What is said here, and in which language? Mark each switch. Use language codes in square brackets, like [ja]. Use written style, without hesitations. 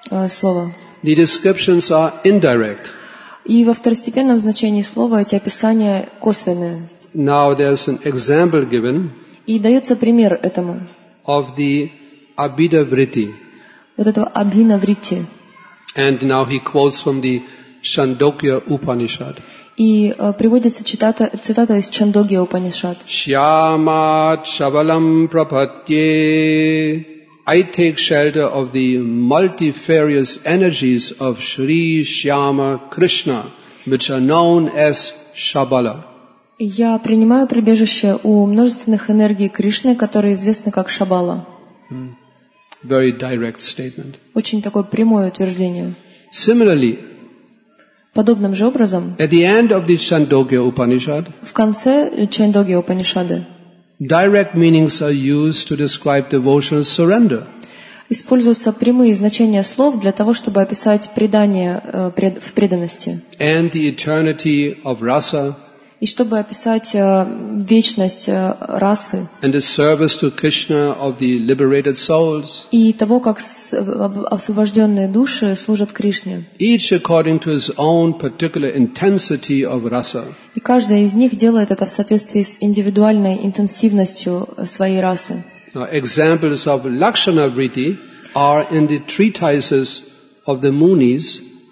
[ru] Слова. [en] The descriptions are indirect. [ru] И во второстепенном значении слова эти описания косвенные. [en] Now there's an example given. [ru] И дается пример этому. [en] Of the abhidha vritti. [ru] Вот этого абхина вритти. [en] And now he quotes from the Chandogya Upanishad. [ru] И приводится цитата из Чандогья Упанишад. [sa] Shyama chavalam prapatye. [en] I take shelter of the multifarious energies of Sri Shyama Krishna, which are known as Shabala. [ru] Я принимаю прибежище у множественных энергий Кришны, которые известны как Шабала. [en] Very direct statement. [ru] Очень такое прямое утверждение. [en] Similarly, [ru] подобным же образом, [en] at the end of the Chandogya Upanishad, [ru] в конце Чандогья Упанишады, [en] direct meanings are used to describe devotional surrender. [ru] Используются прямые значения слов для того, чтобы описать предание в преданности. [en] And the eternity of rasa. [ru] и чтобы описать вечность расы. [en] And the service to Krishna of the liberated souls. [ru] И того, как освобожденные души служат Кришне. [en] Each according to his own particular intensity of rasa. [ru] И каждая из них делает это в соответствии с индивидуальной интенсивностью своей расы. [en] Examples of Lakshana Vritti are in the treatises of the Munis.